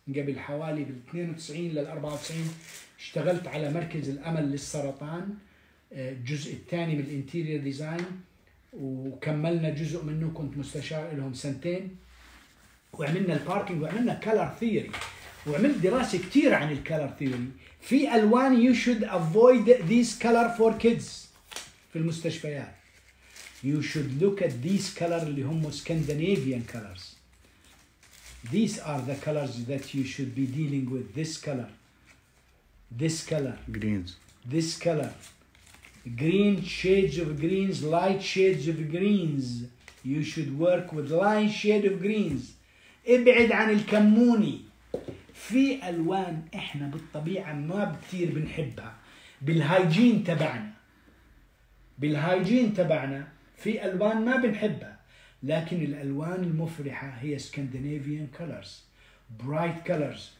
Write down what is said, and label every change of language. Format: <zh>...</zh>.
<ar>قبل حوالي بال 92 لل 94 اشتغلت على مركز الأمل للسرطان، الجزء الثاني من الانتيريور ديزاين، وكملنا جزء منه، كنت مستشار لهم سنتين، وعملنا الباركينج، وعملنا كالر ثيوري، وعملت دراسة كتير عن الكالر ثيوري.</ar> <en>في ألوان you should avoid this color for kids في المستشفيات. You should look at these colors اللي هم Scandinavian colors. These are the colors that you should be dealing with. This color. This color. Greens. This color. Green shades of greens, light shades of greens. You should work with light shade of greens.</en> <ar>ابعد عن الكموني. في ألوان احنا بالطبيعة ما بكثير بنحبها. بالهايجين تبعنا. بالهايجين تبعنا. في ألوان ما بنحبها، لكن الألوان المفرحة هي Scandinavian colors, bright colors.</ar>